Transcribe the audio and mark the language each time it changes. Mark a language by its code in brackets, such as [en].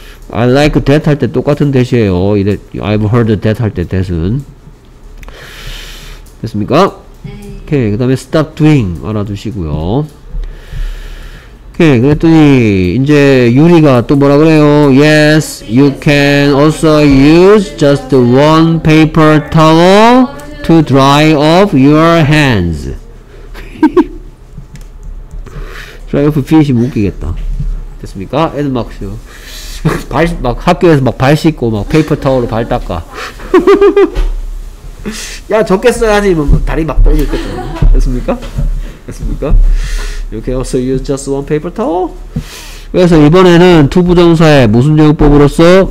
[en] I like that [ko] 할 때 똑같은 대시예요. [en] I've heard that [ko] 할 때 대수는 됐습니까? 네. 오케이. 그 다음에 [en] stop doing [ko] 알아두시고요. 오케이. 그랬더니 이제 유리가 또 뭐라 그래요? [en] Yes, you can also use just one paper towel to dry off your hands. dry off feet [ko] 이 웃기겠다. 됐습니까? 애들 막 쉬어. 발, 막 학교에서 막 발 씻고 막 페이퍼 타월로 발 닦아. 야 적겠어 하지 뭐 다리 막 떨고 있겠죠. 됐습니까? 됐습니까? [en] You can also use just one paper towel. [ko] 그래서 이번에는 to 부정사의 무슨 용법으로서